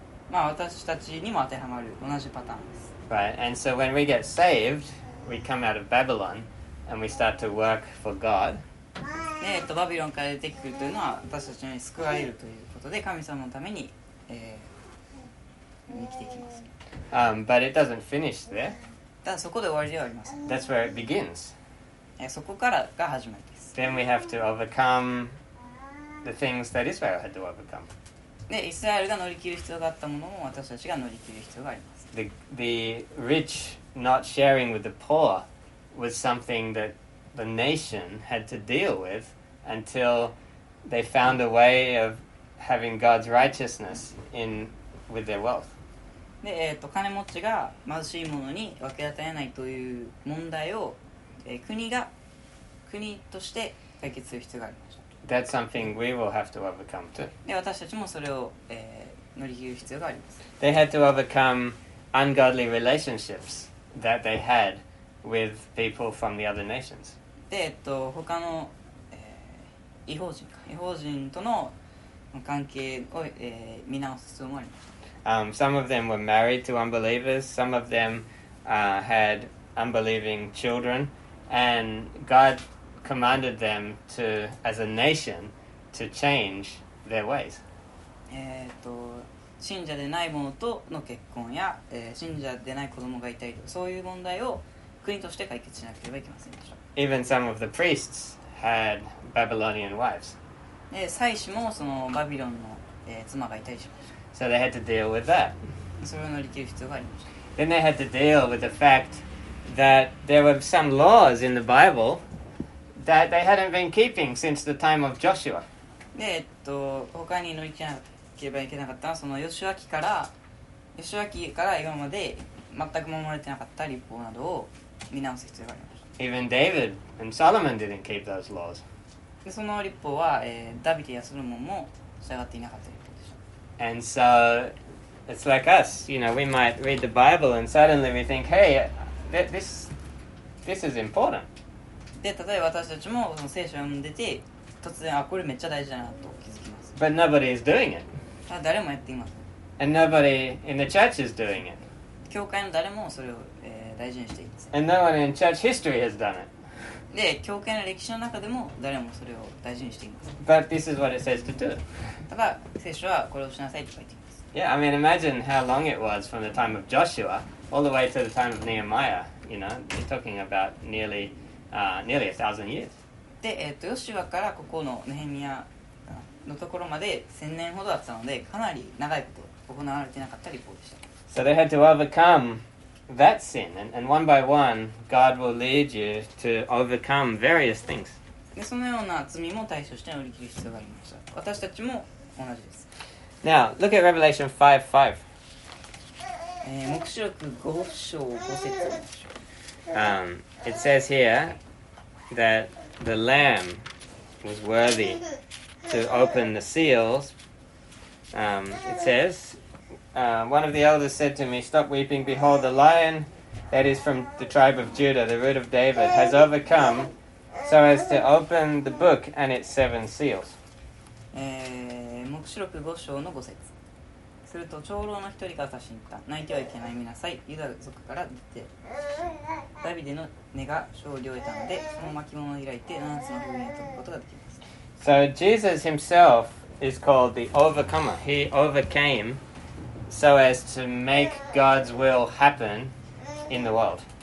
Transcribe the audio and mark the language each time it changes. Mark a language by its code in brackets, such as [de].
[ja] まあ、私たちにも当てはまる同じパターンです。 [en] Right, and so when we get saved, we come out of Babylon and we start to work for God. [ja] で、バビロンから出てくるというのは私たちに救われるということで神様のために、生きていきます。 [en] But it doesn't finish there. [ja] ただそこで終わりではありません。 [en] That's where it begins. [ja] そこからが始まりです。 [en] Then we have to overcome the things that Israel had to overcome. [ja] でイスラエルが乗り切る必要があったものも私たちが乗り切る必要があります。 [en] The rich not sharing with the poor was something that the nation had to deal with until they found a way of having God's righteousness in with their wealth. [ja] で、金持ちが貧しいものに分け与えないという問題を、国として解決する必要があります。 [en] That's something we will have to overcome too. [ja] で、私たちもそれを、乗り切る必要があります。 [en] They had to overcome ungodly relationships that they had with people from the other nations. [ja] で、他の、異邦人か。異邦人との関係を、見直す必要もあります。 [en] Some of them were married to unbelievers. Some of them, had unbelieving children. And Godcommanded them to, as a nation, to change their ways. [ja] 信者でない者との結婚や、信者でない子供がいたりとそういう問題を国として解決しなければいけませんでした。 [en] Even some of the priests had Babylonian wives. [ja] 祭司もそのバビロンの、妻がいたりしました。 [en] So they had to deal with that. [ja] それを乗り切る必要がありました。 [en] Then they had to deal with the fact that there were some laws in the Bible. That they hadn't been keeping since the time of Joshua. [ja] で、他に乗り切らなければいけなかったのはそのヨシュア記から今まで全く守れてなかった律法などを見直す必要がありました。 [en] Even David and Solomon didn't keep those laws. [ja] その律法は、ダビデやソロモンも従っていなかった律法です。 [en] And so it's like us, you know, we might read the Bible and suddenly we think, hey, this is important. [ja] で、例えば私たちもその聖書を読んでて、突然、あ、これめっちゃ大事だなと気づきます。 [en] But nobody is doing it. [ja] 誰もやっていません。 [en] And nobody in the church is doing it. [ja] 教会の誰もそれを、大事にしていません。 [en] And no one in church history has done it. [ja] で、教会の歴史の中でも誰もそれを大事にしていません。 [en] But this is what it says to do. [ja] ただ、聖書はこれをしなさいと書いています。 [en] Yeah, I mean, imagine how long it was from the time of Joshua all the way to the time of Nehemiah. You know, they're talking about nearly 1,000 years. [ja] で、ヨシュアからここのネヘミヤのところまで1000年ほどだったので、かなり長いこと行われてなかった立法でした。 [en] So they had to overcome that sin, and one by one, God will lead you to overcome various things. [ja] で、そのような罪も対処して乗り切る必要がありました。私たちも同じです。 [en] Now, look at Revelation 5:5. [ja] 黙示録5:5. [en] It says here that the Lamb was worthy to open the seals. It says, one of the elders said to me, "Stop weeping. Behold, the Lion that is from the tribe of Judah, the root of David, has overcome so as to open the book and its seven seals." [ja] 黙示録5章の5節。すると長老の一人が私に言った。泣いてはいけない、見なさい。ユダ族から出て。ダビデの根が勝利を得たので、その巻物を開いて七つの封印を解くことができます。 [en] So Jesus himself is called the overcomer. He overcame so as to make God's will happen in the world.